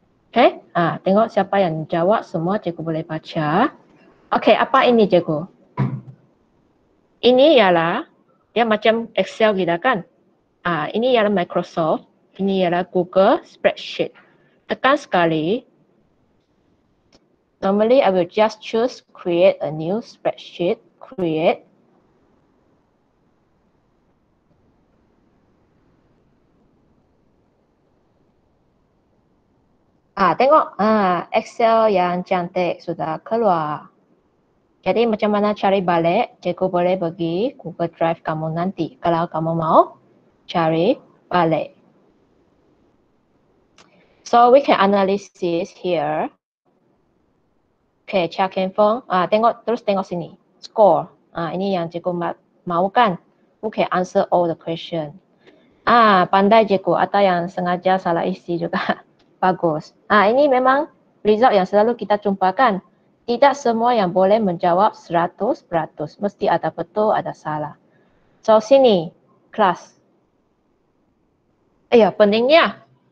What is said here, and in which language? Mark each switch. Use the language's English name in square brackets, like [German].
[Malay] Okay, tengok siapa yang jawab semua, cikgu boleh baca. Okay, apa ini cikgu? Ini ialah, dia macam Excel kita kan? Ini ialah Microsoft, ini ialah Google Spreadsheet. Tekan sekali. [English] Normally, I will just choose create a new spreadsheet, create. [Malay] Tengok Excel yang cantik sudah keluar. Jadi macam mana cari balik? Cikgu boleh bagi Google Drive kamu nanti kalau kamu mau cari balik. [English] So we can analyze this here. [Malay] Okay, Chia Ken Fong. Tengok, terus tengok sini. Score. Ini yang cikgu mau kan? [English] We can answer all the question. [Malay] Pandai cikgu. Ada yang sengaja salah isi juga. Bagus. Ini memang result yang selalu kita jumpakan. Tidak semua yang boleh menjawab 100%. Mesti ada betul, ada salah. So, sini. Kelas. Ya, pentingnya.